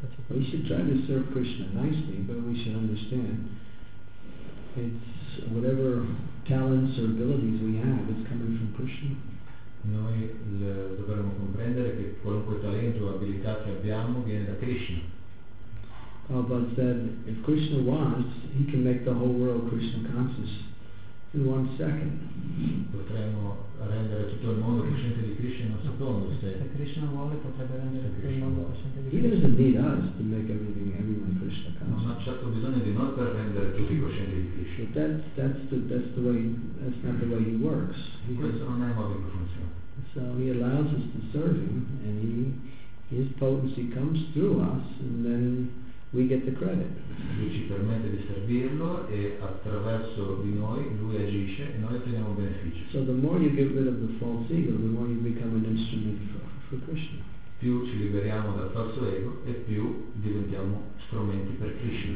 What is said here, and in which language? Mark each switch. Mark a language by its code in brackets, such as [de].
[en] We should try to serve Krishna nicely, but we should understand it's whatever talents or abilities we have is coming from Krishna. [it] Noi dovremmo comprendere che qualunque talento o abilità che abbiamo viene da Krishna. [en] Prabhupada said, if Krishna wants, he can make the whole world Krishna conscious in one second. [it] Potremmo rendere tutto il mondo cosciente di Krishna in un secondo. Se Krishna vuole, potrebbe rendere tutto il mondo cosciente di [en] Krishna. He doesn't need us to make everyone Krishna conscious. [it] Non ha certo bisogno di noi per rendere tutti coscienti di Krishna. [en] But that's not the way he works. [it] Questo non è il modo in cui funziona. [en] So he allows us to serve him, and his potency comes through us, and then we get the credit. [it] Lui ci permette di servirlo e attraverso di noi lui agisce e noi otteniamo beneficio. [en] So the more you get rid of the false ego, the more you become an instrument for Krishna. [it] Più ci liberiamo dal falso ego e più diventiamo strumenti per Krishna.